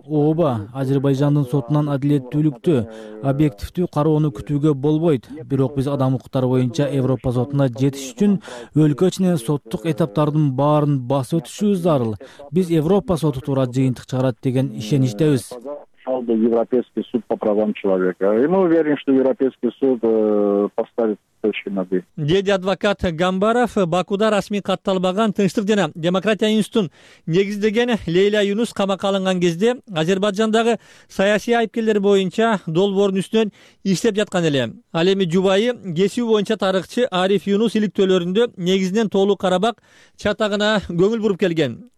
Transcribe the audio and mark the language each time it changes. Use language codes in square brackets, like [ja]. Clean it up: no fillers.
[ky] Ооба, Азербайжандын сотунан адилеттүүлүктү, объективдүү кароону күтүүгө болбойт. Бирок биз адам укуктары боюнча Европа сотуна жетиш үчүн өлкө ичинен соттук этаптардын баарын басып өтүшүбүз зарыл. Биз Европа соту туура жыйынтык чыгарат деген ишеничтебиз. [ru] Европейский суд по правам человека. И мы уверены, что Европейский суд поставит точки над и. [ky] Деди адвокат Гамбаров Бакуда расмий катталбаган тынчтык жана демократия институтун негиздеген Лейла Юнус камакка алынган кезде Азербайджандагы саясий айыпкерлер боюнча долбоорун үстүнөн иштеп жаткан эле. Ал эми жубайы кесүү боюнча тарыхчы Ариф Юнус иликтөөлөрүндө негизинен Тоолук Карабак чатагына көңүл буруп келген.